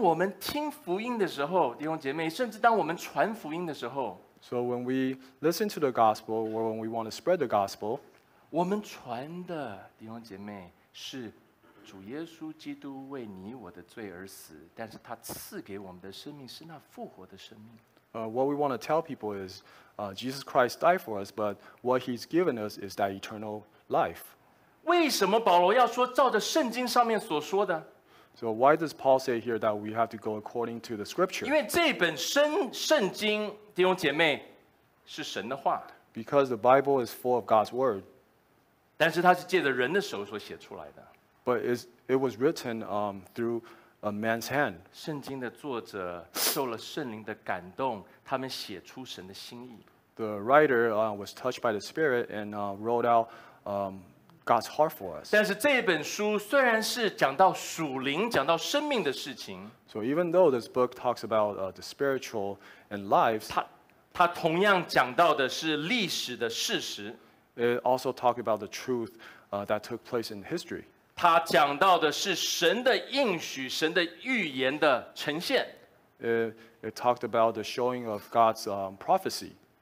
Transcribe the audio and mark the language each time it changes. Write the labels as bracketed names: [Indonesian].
[Chinese] 所以当我们听福音的时候, 弟兄姐妹, 甚至当我们传福音的时候, [English] so when we listen to the gospel or when we want to spread the gospel, [Chinese] 我们传的, 弟兄姐妹, 是主耶稣基督为你我的罪而死, 但是他赐给我们的生命是那复活的生命。 [English] What we want to tell people is Jesus Christ died for us, but what he's given us is that eternal life. [Chinese] 为什么保罗要说照着圣经上面所说的? [English] So why does Paul say here that we have to go according to the scripture? [Chinese] 因为这本圣经, 弟兄姐妹, 是神的话。 [English] Because the Bible is full of God's word. [Chinese] 但是它是借着人的手所写出来的。 [English] But it was written through a man's hand. [Chinese] 圣经的作者受了圣灵的感动, 他们写出神的心意。 [English] The writer was touched by the Spirit and wrote out God's heart for us. [Chinese] 但是这本书虽然是讲到属灵, 讲到生命的事情, [English] so even though this book talks about the spiritual and lives, [Chinese] 它同样讲到的是历史的事实, [English] it also talks about the truth that took place in history. [Chinese] 它讲到的是神的应许, 神的预言的呈现, [English] it talked about the showing of God's prophecy.